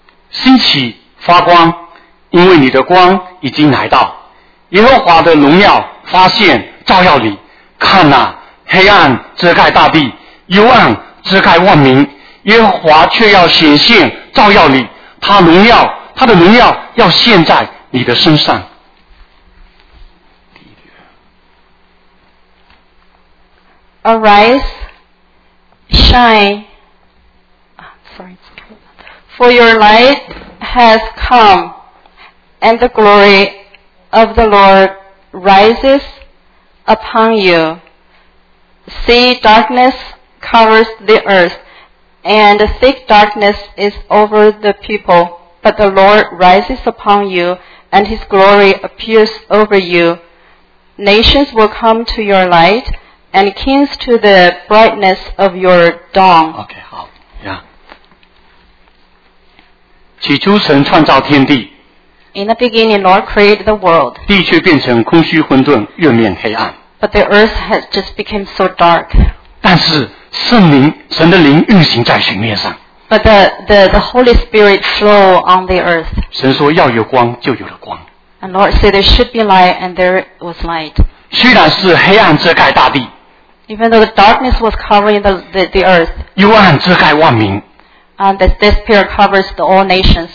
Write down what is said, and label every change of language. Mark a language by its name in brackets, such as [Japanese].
[Chinese] 兴起发光，因为你的光已经来到，耶和华的荣耀发现照耀你。看哪、黑暗遮盖大地，幽暗遮盖万民，耶和华却要显现照耀你，他的荣耀要现在你的身上。 [English] Arise, shine. Oh, sorry, it's coming out there. For your light has come, and the glory of the Lord rises upon you. See, darkness covers the earth, and thick darkness is over the people. But the Lord rises upon you, and His glory appears over you. Nations will come to your light, and kings to the brightness of your dawn. Okay, 好, yeah. [Chinese] 起初神创造天地, [English] In the beginning, Lord created the world. [Chinese] 地却变成空虚混沌, 月面黑暗, [English] but the earth has just become so dark. [Chinese] 但是圣灵, 神的灵运行在水面上, [English] but the Holy Spirit flow on the earth. [Chinese] 神说要有光, 就有了光, [English] and Lord said there should be light, and there was light. [Chinese] 虽然是黑暗遮盖大地, [English] even though the darkness was covering the earth, [Chinese] 幽暗遮盖万民, [English] and the spirit covers the all nations.